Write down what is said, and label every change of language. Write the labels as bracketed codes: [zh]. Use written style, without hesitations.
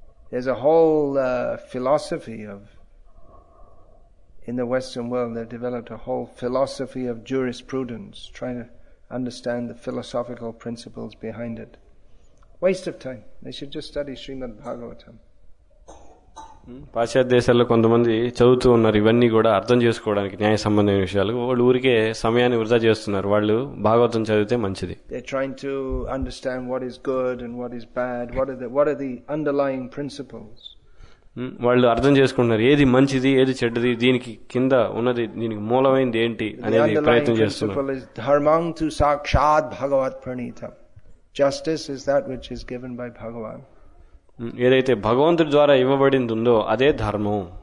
[en] There's a whole philosophy of, in the Western world, they've developed a whole philosophy of jurisprudence, trying to understand the philosophical principles behind it. Waste of time. They should just study Srimad Bhagavatam. [te] పాశ్చాత్య దేశాల్లో కొంతమంది చదువుతూ ఉన్నారు ఇవన్నీ కూడా అర్థం చేసుకోవడానికి న్యాయ సంబంధమైన విషయాలు. వాళ్ళు ఊరికే సమయాన్ని వృధా చేస్తున్నారు. వాళ్ళు భాగవతం చదివితే మంచిది. [en] They're trying to understand what is good and what is bad, what are the underlying principles. [te] వాళ్ళు అర్థం చేసుకుంటున్నారు ఏది మంచిది ఏది చెడ్డది, దీనికి కింద ఉన్నది దీనికి మూలమైంది ఏంటి అనేది ప్రయత్నం చేస్తున్నారు. [sa] ధర్మం తు సాక్షాత్ భగవత్ ప్రణీతం, [en] Justice is that which is given by Bhagavan. [te] ఏదైతే భగవంతుడి ద్వారా ఇవ్వబడింది ఉందో అదే ధర్మం.